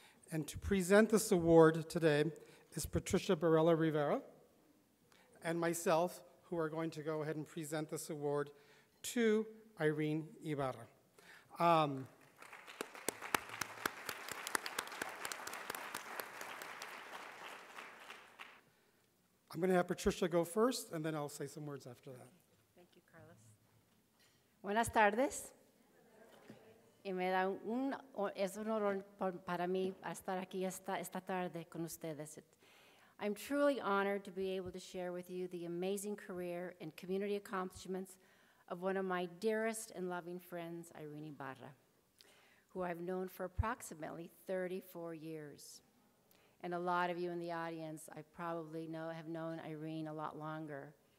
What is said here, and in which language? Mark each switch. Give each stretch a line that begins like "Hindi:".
English: And to present this award today is Patricia Barella Rivera and myself, who are going to go ahead and present this award to Irene Ibarra. I'm going to have Patricia go first, and then I'll say some words after that. Thank you, Carlos.
Spanish: Buenas tardes. Y me da un es un honor para mí estar aquí esta tarde con ustedes.
English: I'm truly honored to be able to share with you the amazing career and community accomplishments of one of my dearest and loving friends, Irene Ibarra, who I've known for approximately 34 years. And a lot of you in the audience, I probably know, have known Irene a lot longer.